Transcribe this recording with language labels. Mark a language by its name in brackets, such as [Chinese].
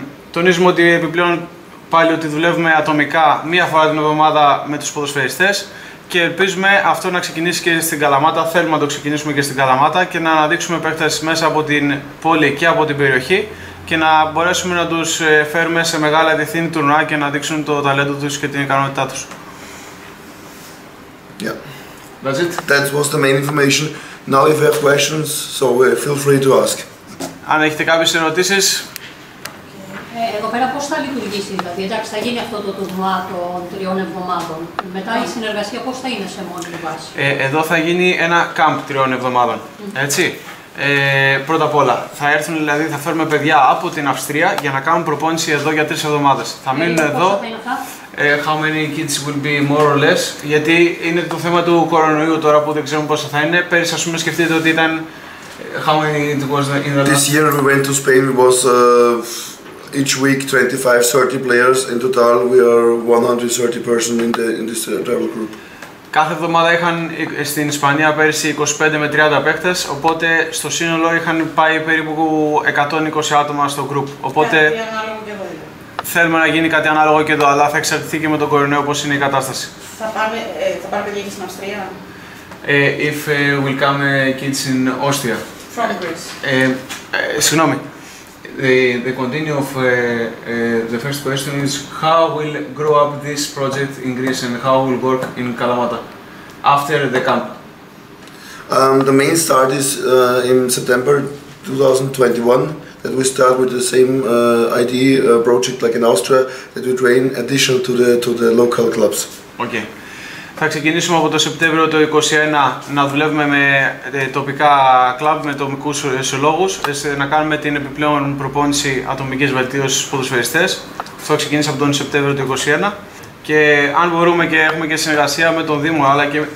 [Greek] Τονίζουμε ότι επιπλέον πάλι ότι δουλεύουμε ατομικά μία φορά την εβδομάδα με τους ποδοσφαιριστές και ελπίζουμε αυτό να ξεκινήσει και στην Καλαμάτα, θέλουμε να το ξεκινήσουμε και στην Καλαμάτα και να αναδείξουμε παίκτες μέσα από την πόλη και από την περιοχή και να μπορέσουμε να τους φέρουμε σε μεγάλα διεθνή τουρνουά και να δείξουν το ταλέντο τους και την ικανότητά τους. [English] Yeah. That's it. That was the main information. Now if you have questions, so feel free to ask. [Greek] Αν έχετε κάποιες ερωτήσεις. Εδώ πέρα πώς θα λειτουργήσει, δηλαδή, εντάξει, θα γίνει αυτό το τουρνουά των 3 εβδομάδων. Μετά η συνεργασία πώς θα είναι σε μόνη βάση. Εδώ θα γίνει ένα camp 3 εβδομάδων, έτσι. Πρώτα απ' όλα, θα φέρουμε παιδιά από την Αυστρία για να κάνουν προπόνηση εδώ για 3 εβδομάδες. Θα μείνουν εδώ. [English] How many kids will be more or less, [Greek] γιατί είναι το θέμα του κορονοϊού τώρα που δεν ξέρουμε πόσο θα είναι. Πέρυσι, ας πούμε, σκεφτείτε ότι ήταν. [English] How many it was in the This year we went to Spain, it was. Each week 25-30 players, in total we are 130 persons in this travel group. [Greek] Κάθε εβδομάδα είχαν στην Ισπανία πέρυσι 25 με 30 παίκτες, οπότε στο σύνολο είχαν πάει περίπου 120 άτομα στο group. Οπότε θέλουμε να γίνει κάτι ανάλογο και εδώ, αλλά θα εξαρτηθεί και με τον κορονοϊό όπως είναι η κατάσταση. Θα πάρουμε παιδιά και στην Αυστρία. [English] If will come kids in Austria. From Greece. [Greek] Συγγνώμη. [English] The continue of the first question is how will grow up this project in Greece and how will work in Kalamata after the camp. The main start is in September 2021 that we start with the same ID project like in Austria that we train additional to the local clubs. Okay. [Greek] Θα ξεκινήσουμε από το Σεπτέμβριο το 2021 να δουλεύουμε με τοπικά κλαμπ, με τομικούς συλλόγους, να κάνουμε την επιπλέον προπόνηση ατομικής βελτίωσης ποδοσφαιριστές. Αυτό ξεκίνησε από τον Σεπτέμβριο του 2021. Και αν μπορούμε και έχουμε και συνεργασία με τον Δήμο, αλλά και...